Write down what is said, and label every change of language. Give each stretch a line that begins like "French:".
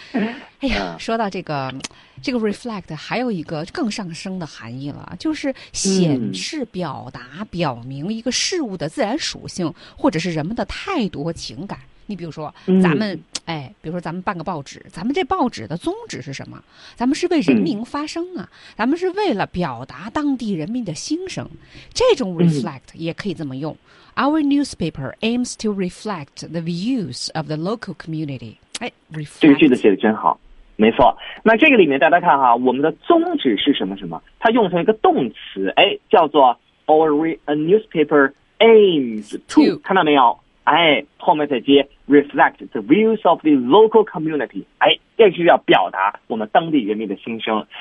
Chinese: 哎呀，说到这个 reflect， 还有一个更上升的含义了，就是显示、表达、表明一个事物的自然属性，或者是人们的态度和情感。你比如说咱们哎，比如说咱们办个报纸，咱们这报纸的宗旨是什么？咱们是为人民发声啊，咱们是为了表达当地人民的心声。这种 reflect 也可以这么用。
English: Our newspaper aims to reflect the views of the local community.
Chinese: 哎 reflect 这个句子写得真好，没错。那这个里面大家看哈，我们的宗旨是什么什么，它用成一个动词，哎，叫做
English: a newspaper aims to,
Chinese: 看到没有，哎，后面再接
English: reflect the views of the local community,
Chinese: 哎，这是要表达我们当地人民的心声。